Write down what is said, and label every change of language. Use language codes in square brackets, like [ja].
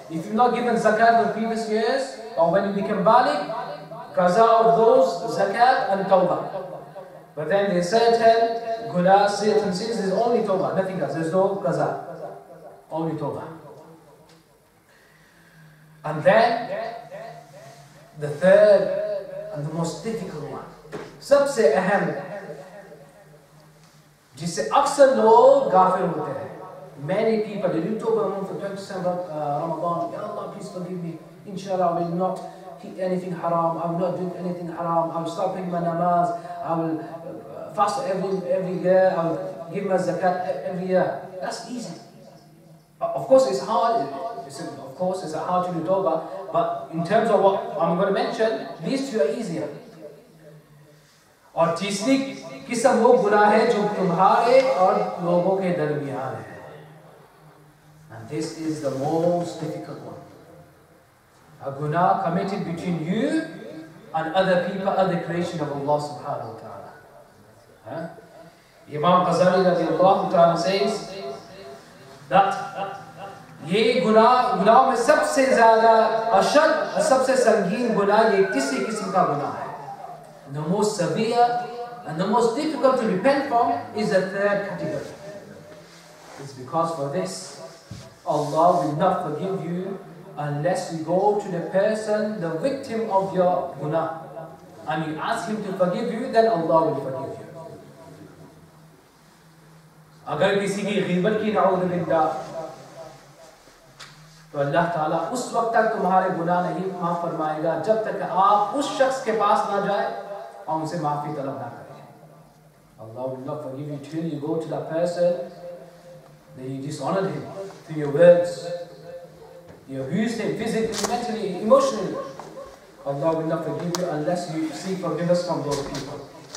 [en] If you've not given zakat in previous years, or when you become baligh, qaza of those, zakat and tawbah. But then there are certain guna, certain sins, there's only tawbah, nothing else, there's no qaza. Only tawbah. And then The third and the most difficult one. [ur] سبسے اہم جس سے اکثر لوگ غافل ہوتے ہیں. [en] Many people, you talk about month of 27 Ramadan, Ya Allah, please forgive me. Inshallah, I will not eat anything haram. I will not drink anything haram. I will stop paying my namaz. I will fast every year. I will give my zakat every year. That's easy. Of course, it's hard. It's hard to do tawbah. But in terms of what I'm going to mention, these two are easier. [ur] اور تیسری قسم وہ گناہ ہے جو تمہارے اور لوگوں کے درمیان ہے. [en] And this is the most difficult one. A guna committed between you and other people, other creation of Allah subhanahu wa ta'ala. [ur] Imam Ghazali رضی اللہ تعالیٰ [en] says that [ur] یہ گناہ میں سب سے زیادہ اشد اور سب سے سنگین گناہ یہ تیسری قسم کا گناہ ہے. [en] The most severe and the most difficult to repent from is the third category. It's because for this, Allah will not forgive you unless you go to the person, the victim of your guna, and you ask him to forgive you, then Allah will forgive you. [ur] اگر کسی کی غیبت کی نعوذ باللہ تو اللہ تعالیٰ اس وقت تک تمہارے گناہ نہیں معاف فرمائے گا جب تک آپ اس شخص کے پاس نہ جائے اور ان سے معافی طلب نہ کریں. [en] Allah will not forgive you till you go to that person that you dishonored him through your words. You abused him physically, mentally, emotionally. Allah will not forgive you unless you seek forgiveness from those people.